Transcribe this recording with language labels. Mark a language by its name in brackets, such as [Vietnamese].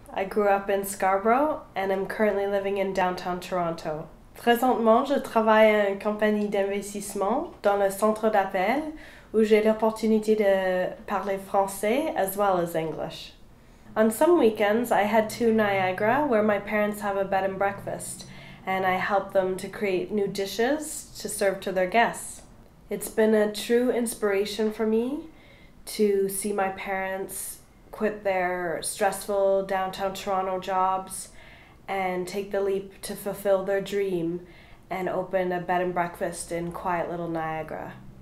[English] I grew up in Scarborough and I'm currently living in downtown Toronto. [French] Présentement, je travaille à une compagnie d'investissement dans le centre d'appel où j'ai l'opportunité de parler français [English] as well as English. On some weekends, I head to Niagara where my parents have a bed and breakfast and I help them to create new dishes to serve to their guests. It's been a true inspiration for me to see my parents quit their stressful downtown Toronto jobs and take the leap to fulfill their dream and open a bed and breakfast in quiet little Niagara.